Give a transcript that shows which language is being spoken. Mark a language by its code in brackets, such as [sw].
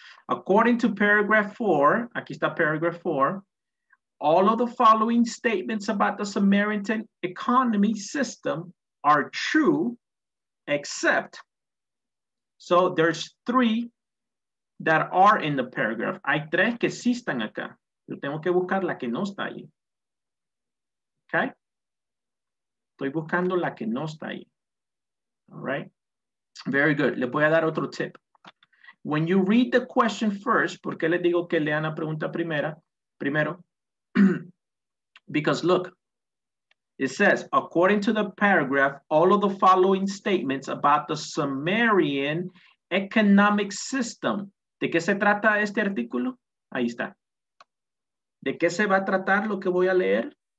[en] According to paragraph four, [es] aquí está [en] paragraph four, all of the following statements about the Samaritan economy system are true, except, so there's three that are in the paragraph. [es] Hay tres que sí están acá. Yo tengo que buscar la que no está ahí. Okay? Estoy buscando la que no está ahí. [en] All right? Very good. [es] Le voy a dar otro tip. [en] When you read the question first, [es] ¿por qué les digo que lean la pregunta primera? Primero, [en] because look, it says, according to the paragraph, all of the following statements about the Sumerian economic system. [es] ¿De qué se trata este artículo? Ahí está. ¿De qué se va a tratar lo que voy a leer?